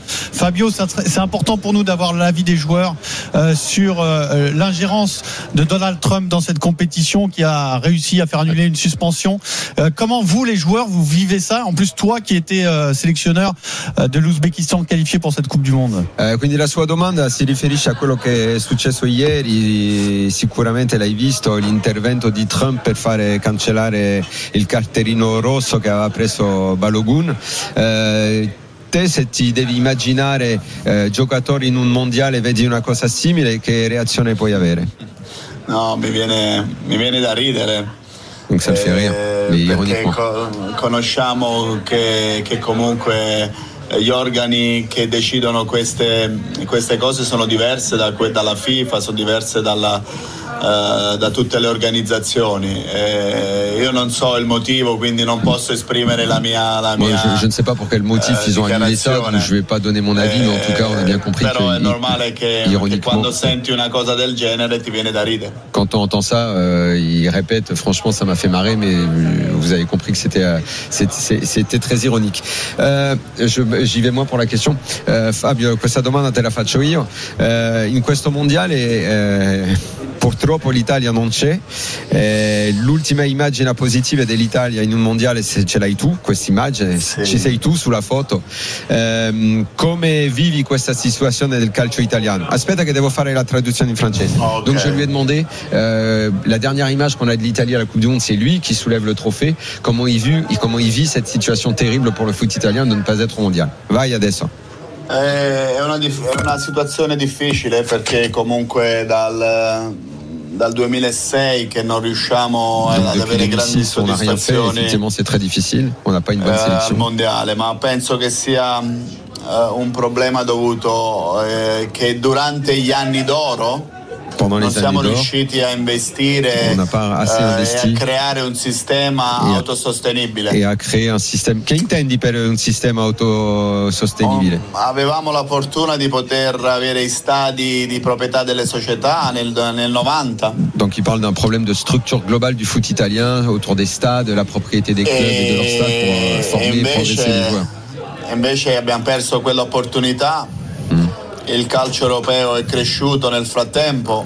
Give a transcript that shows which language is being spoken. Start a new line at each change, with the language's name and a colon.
French: Fabio, c'est important pour nous d'avoir l'avis des joueurs sur l'ingérence de Donald Trump dans cette compétition, qui a réussi à faire annuler une suspension. Comment vous, les joueurs, vous vivez ça? En plus, toi qui étais sélectionneur de l'Ouzbékistan qualifié pour cette Coupe du Monde.
Italian: Quindi la sua domanda si riferisce a quello che è successo ieri. Sicuramente l'hai visto, l'intervento di Trump per fare cancellare il cartellino rosso che aveva preso Balogun. Te, se ti devi immaginare giocatori in un mondiale, vedi una cosa simile, che reazione puoi avere? No, mi viene da ridere.
French: Donc ça le fait rire, mais ironiquement.
Italian: Conosciamo che comunque gli organi che decidono queste cose sono diverse dalla FIFA, sono diverse da tutte le organizzazioni. Io non so il motivo, quindi non posso esprimere la mia.
French: Je ne sais pas pour quel motif ils ont annulé ça, donc je vais pas donner mon avis, mais en tout cas on a bien compris.
Italian: Però è normale che quando senti una cosa del genere ti viene da ridere.
French: Quand on entend ça, il répète, franchement ça m'a fait marrer, mais vous avez compris que c'était très ironique. J'y vais moi pour la question.
Italian: Fabio, questa domanda te la faccio io. In questo mondiale purtroppo l'Italia non c'è. L'ultima immagine positiva dell'Italia in un mondiale ce l'hai tu, questa immagine, sì. Ci sei tu sulla foto. Come vivi questa situazione del calcio italiano? Aspetta che devo fare la traduzione in francese. Okay.
French: Donc je lui ai demandé, la dernière image qu'on a de l'Italia alla Coupe du Monde, c'est lui qui soulève le trophée. Comment il vit cette situation terrible pour le foot italien de ne pas être au mondiale?
Italian: Vai adesso. È una situazione difficile perché comunque dal 2006 che non riusciamo ad avere grandi soddisfazioni. Effettivamente c'è très difficile, on n'a pas une bonne sélection. Mondiale, ma penso che sia un problema dovuto che durante gli anni d'oro
French: pendant
Italian: non siamo riusciti a investire e a creare un sistema autosostenibile. E a creare un sistema. Che intendi per un sistema autosostenibile? Avevamo la fortuna di poter avere i stadi di proprietà delle società nel 90.
French: Donc il parle d'un problème de structure globale du foot italien autour des stades, la propriété des clubs et de leurs stades pour former
Italian: invece,
French: et progresser les joueurs.
Italian: Invece abbiamo perso quell'opportunità. Il calcio europeo è cresciuto nel frattempo.